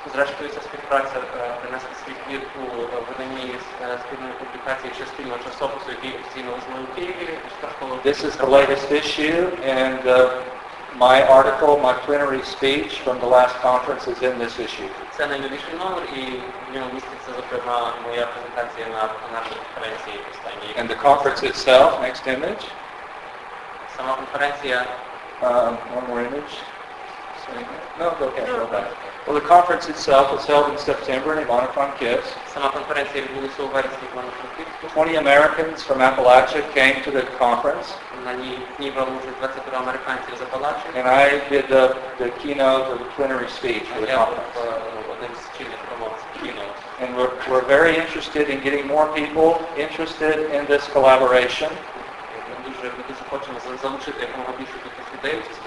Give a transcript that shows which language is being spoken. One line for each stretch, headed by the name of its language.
Ukrainian: Зрештою, ця співпраця принесе світ мір у виданні спільної публікації чи спільного часопису, який офіційно визнаний у Києві.
English: This is the latest issue, and my article, my plenary speech from the last conference is in this issue.
Ukrainian: Це найновіший номер, і в ньому міститься, зокрема, моя презентація на нашій конференції останній.
English: And the conference itself, next image.
Ukrainian: Сама конференція.
English: One more image. No, okay, go back. Well, the conference itself was held in September in Ivano-Frankivsk.
Ukrainian: Сама конференція відбулася у вересні в Івано-Франківську.
English: 20 Americans from Appalachia came to the conference.
Ukrainian: На ній брали участь 20 американців з Апалачі.
English: And I did the keynote or the plenary speech for the conference. And we're very interested in getting more people interested in this collaboration.
Ukrainian: Ми дуже хочемо залучити якомога більше таких людей.